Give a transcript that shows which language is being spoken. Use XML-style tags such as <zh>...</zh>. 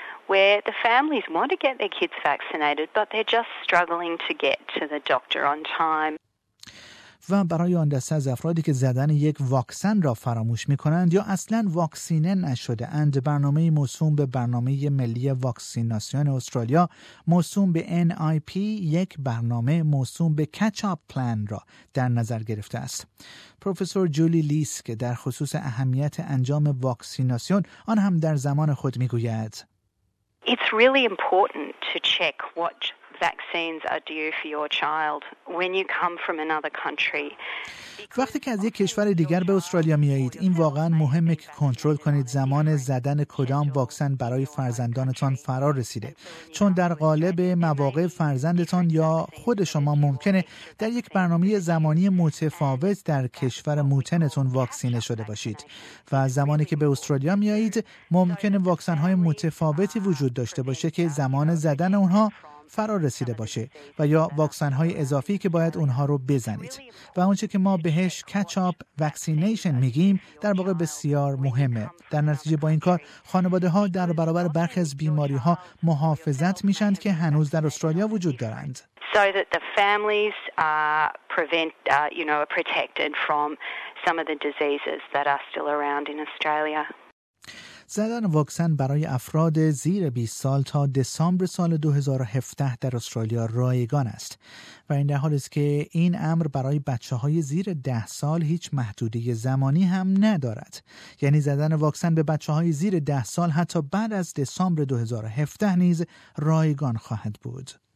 <en>Where the families want to get their kids vaccinated, but they're just struggling to get to the doctor on time.</en> <fa>و برای آن دسته از افرادی که زدن یک واکسن را فراموش می‌کنند یا اصلاً واکسینه نشده اند، برنامه موسوم به برنامه ملی واکسیناسیون استرالیا موسوم به NIP یک برنامه موسوم به کچاپ پلان را در نظر گرفته است. پروفسور جولی لیسک در خصوص اهمیت انجام واکسیناسیون آن هم در زمان خود می‌گوید:</fa> <en>It's really important to check what vaccines are due for your child when you come from another country.</en> <fa>وقتی که از یک کشور دیگر به استرالیا میایید، این واقعا مهمه که کنترل کنید زمان زدن کدام واکسن برای فرزندانتان فرا رسیده. چون در قالب مواقع فرزندتان یا خود شما ممکنه در یک برنامه زمانی متفاوت در کشور موطنتون واکسینه شده باشید و زمانی که به استرالیا میایید، ممکنه واکسن‌های متفاوتی وجود داشته باشه که زمان زدن اونها فرا رسیده باشه و یا واکسن‌های اضافی که باید اونها رو بزنید. و اونچه که ما بهش کچاپ واکسینیشن میگیم در واقع بسیار مهمه. در نتیجه با این کار خانواده‌ها در برابر برخی از بیماری‌ها محافظت میشند که هنوز در استرالیا وجود دارند.</fa> <en>So that the families are protected from some of the diseases that are still around in Australia.</en> <fa>زدن واکسن برای افراد زیر 20 سال تا دسامبر سال 2017 در استرالیا رایگان است و این در حالی است که این امر برای بچه‌های زیر 10 سال هیچ محدودیت زمانی هم ندارد. یعنی زدن واکسن به بچه‌های زیر 10 سال حتی بعد از دسامبر 2017 نیز رایگان خواهد بود.</fa>